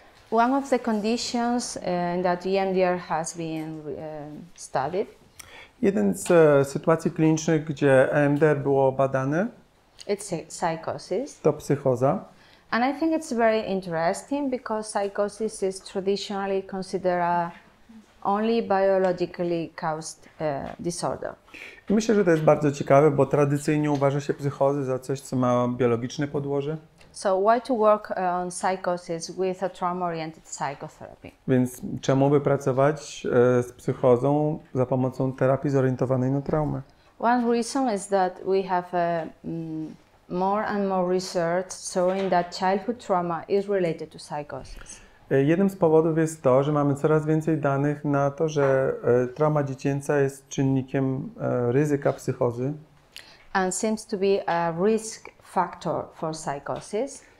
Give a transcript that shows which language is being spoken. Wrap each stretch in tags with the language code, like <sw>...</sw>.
<en>One of the conditions that EMDR has been studied.</en> <pl>Jeden z sytuacji klinicznych, gdzie EMDR było badane.</pl> <en>It's psychosis.</en> <pl>To psychoza.</pl> <en>And I think it's very interesting because psychosis is traditionally considered only biologically caused disorder.</en> <pl>Myślę, że to jest bardzo ciekawe, bo tradycyjnie uważa się psychozę za coś, co ma biologiczne podłoże.</pl> <en>So why to work on psychosis with a trauma-oriented psychotherapy?</en> <pl>Więc czemu by pracować z psychozą za pomocą terapii zorientowanej na traumę?</pl> <en>One reason is that we have more and more research showing that childhood trauma is related to psychosis.</en> <pl>Jednym z powodów jest to, że mamy coraz więcej danych na to, że trauma dziecięca jest czynnikiem ryzyka psychozy.</pl> <en>And seems to be a risk factor for psychosis.</en>